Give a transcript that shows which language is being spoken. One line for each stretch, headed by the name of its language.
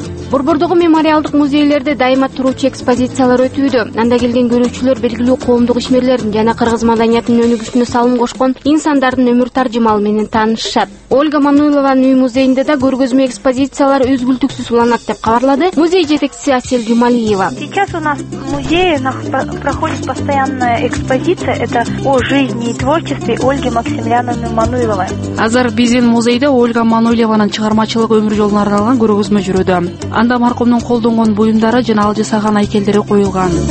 Kyrgyz: Борбордогу мемориалдык музейлерде дайыма туруучу экспозициялар өтүүдө. Анда келген көрүүчүлөр белгилүү коомдук ишмерлердин жана кыргыз маданиятынын өнүгүшүнө салым кошкон инсандардын өмүр таржымалы менен таанышышат. Ольга Мануилованын үй музейинде да көргөзмө экспозициялар үзгүлтүксүз уланат деп кабарлады музей жетекчиси Асель Жумалиева.
Russian: Сейчас у нас в музее проходит постоянная экспозиция. Это о жизни и творчестве Ольги Максимилиановны Мануиловой.
Kyrgyz: Азыр биздин музейде Ольга Мануилованын чыгармачылык өмүр жолуна арналган көргөзмө жүрүүдө. Анда маркумдун колдонгон буюмдары жана ал жасаган айкелдери коюлган.